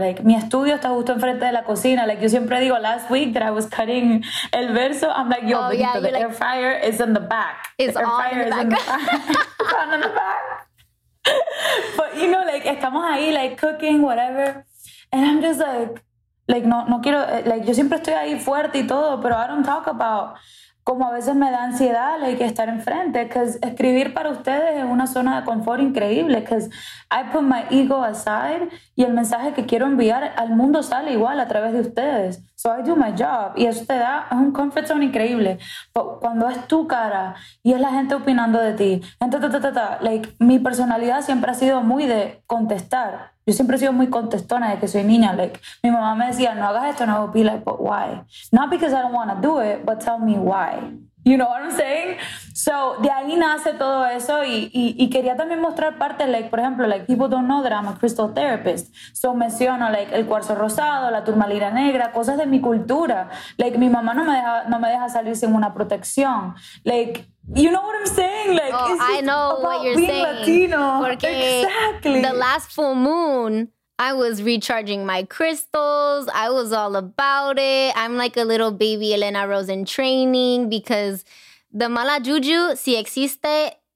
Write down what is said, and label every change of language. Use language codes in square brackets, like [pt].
[en] Like, [es] mi estudio está justo enfrente de la cocina. [en] Like, [es] yo siempre digo, [en] last week that I was cutting [es] el verso, [en] I'm like, yo, the air fryer is in the back. It's the air all fryer in the back. It's on the back. But, you know, like, [es] estamos ahí, [en] like, cooking, whatever. And I'm just like, [es] no quiero, like, yo siempre estoy ahí fuerte y todo, pero [en] I don't talk about [es] como a veces me da ansiedad, like, estar enfrente, [en] because [es] escribir para ustedes es una zona de confort increíble, [en] because I put my ego aside [es] y el mensaje que quiero enviar al mundo sale igual a través de ustedes. [en] So I do my job, [es] y eso te da un [en] comfort zone [es] increíble. [en] But [es] cuando es tu cara y es la gente opinando de ti, like, mi personalidad siempre ha sido muy de contestar. Yo siempre he sido muy contestona de que soy niña. Like, mi mamá me decía, no hagas esto, no hago pila. [en] Like, but why? Not because I don't want to do it, but tell me why. You know what I'm saying? [es] So, de ahí nace todo eso. Y quería también mostrar parte, [en] like, [es] por ejemplo, [en] like, people don't know that I'm a crystal therapist. [es] So, menciono, like, el cuarzo rosado, la turmalina negra, cosas de mi cultura. Like, mi mamá no me deja salir sin una protección. [en] Like, you know what I'm saying? Like, oh, I know what you're being saying. Latino. [es] Porque [en] exactly. The last full moon, I was recharging my crystals. I was all about it. I'm like a little baby Elena Rose in training because the [es] mala juju, si existe,